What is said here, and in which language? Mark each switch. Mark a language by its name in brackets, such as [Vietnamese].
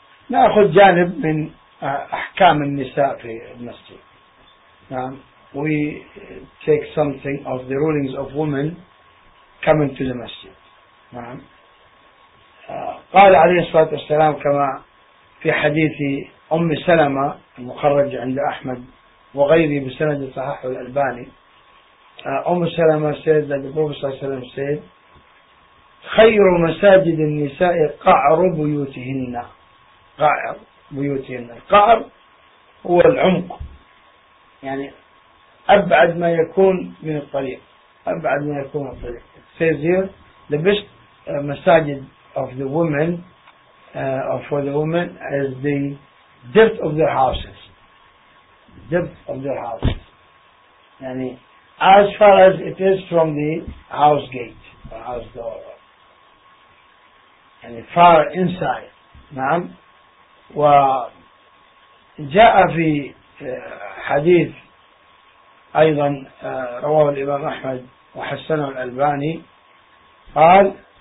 [Arabic] نأخذ جانب من أحكام النساء في المسجد. نعم. [English] We take something of the rulings of women coming to the masjid. [Arabic] نعم. قال عليه الصلاة والسلام كما في حديث أم سلمة المخرج عند أحمد وغيره بسند صحيح الألباني. أم سلمة [English] said that the Prophet [Arabic] صلى الله عليه وسلم said خير مساجد النساء قعر بيوتهن. قعر بيوتهن، القعر هو العمق، يعني أبعد ما يكون من الطريق، أبعد ما يكون من الطريق. [English] It says here the best masajid of the women for the women is the depth of their houses, depth of their houses, يعني as far as it is from the house gate or house door, and far inside. [Arabic] نعم. وجاء في حديث أيضا رواه الإمام أحمد وحسنه الألباني قال